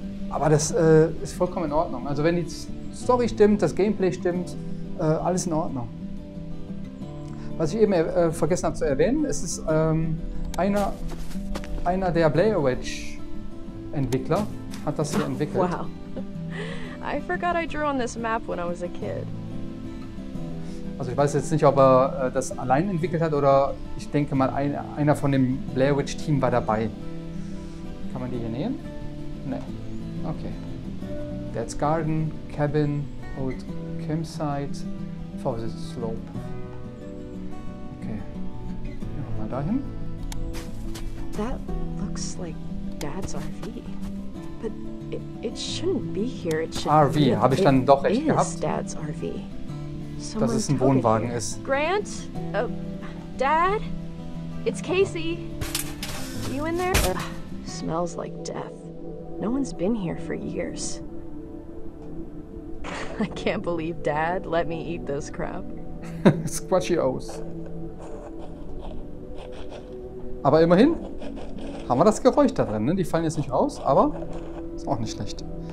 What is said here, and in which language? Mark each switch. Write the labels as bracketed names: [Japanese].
[German] Aber das ist vollkommen in Ordnung. Also wenn die Story stimmt, das Gameplay stimmt, alles in Ordnung. Was ich eben vergessen habe zu erwähnen, es ist einer der Blairwitch-Entwickler hat das hier entwickelt. Wow. [English] I forgot I drew on this map when I was a kid. [German] Also ich weiß jetzt nicht, ob er das allein entwickelt hat oder ich denke mal, einer von dem Blairwitch-Team war dabei. Kann man die hier nehmen? Nee. Okay. Dad's Garden, Cabin, Old Campsite, Forest Slope. Okay. Gehen wir mal dahin. [English] That looks like Dad's RV. But it shouldn't be here. It should [German] RV, habe ich dann doch recht gehabt. [English] Dad's RV. [German] Dass es ein Wohnwagen ist. [English] Grant? Dad? It's Casey. You in there? Smells like death. No one's been here for years. I can't believe Dad let me eat this crap. Squatchy O's. [German] Aber immerhin haben wir das Geräusch da drin. Ne? Die fallen jetzt nicht raus, aber ist auch nicht schlecht.